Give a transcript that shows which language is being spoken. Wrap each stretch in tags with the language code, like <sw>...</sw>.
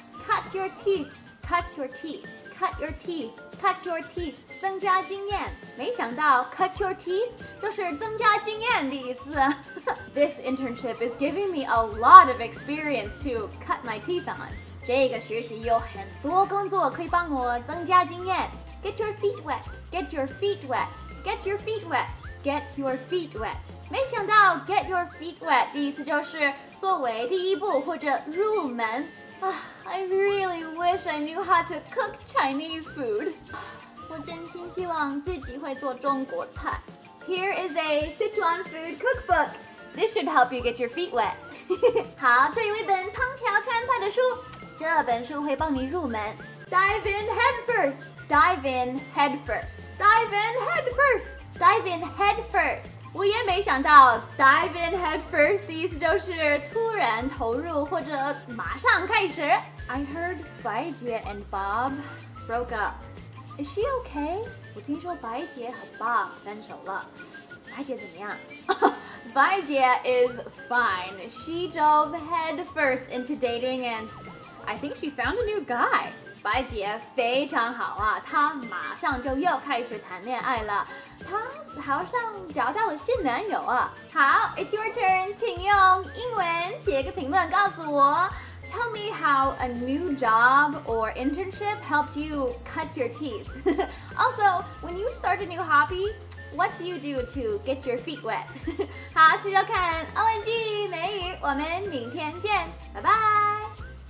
<en>Cut your teeth, cut your teeth, cut your teeth, cut your teeth。</en> <zh>增加经验，没想到</zh> <en>cut your teeth</en> <zh>就是增加经验的意思。</zh> <en>This internship is giving me a lot of experience to cut my teeth on.</en> <zh>这个学习有很多工作可以帮我增加经验。</zh> <en>Get your feet wet, get your feet wet, get your feet wet, get your feet wet.</en> <zh>没想到</zh> <en>get your feet wet</en> <zh>的意思就是作为第一步或者入门。</zh> <en>I really wish I knew how to cook Chinese food.</en> <zh>我真心希望自己会做中国菜。</zh> <en>Here is a Sichuan food cookbook. This should help you get your feet wet.</en> <zh>好，这有一本烹调川菜的书，这本书会帮你入门。</zh> <en>Dive in head first. Dive in head first. Dive in head first. Dive in head first.</en> <zh>我也没想到 dive in head first 的意思就是突然投入或者马上开始。</zh> <en>I heard 白姐 and Bob broke up. Is she okay?</en> <zh>我听说白姐和 Bob 分手了。白姐怎么样？</zh> <en>白姐 is fine. She dove head first into dating and I think she found a new guy.</en> <zh>白姐非常好啊，她马上就又开始谈恋爱了。她好像找到了新男友啊。好，</zh> <en>it's your turn.</en> <zh>请用英文写个评论告诉我。</zh> <en>Tell me how a new job or internship helped you cut your teeth. Also, when you start a new hobby, what do you do to get your feet wet?</en> <zh>好，谢谢收看 ONG 美语，我们明天见，拜拜。</zh>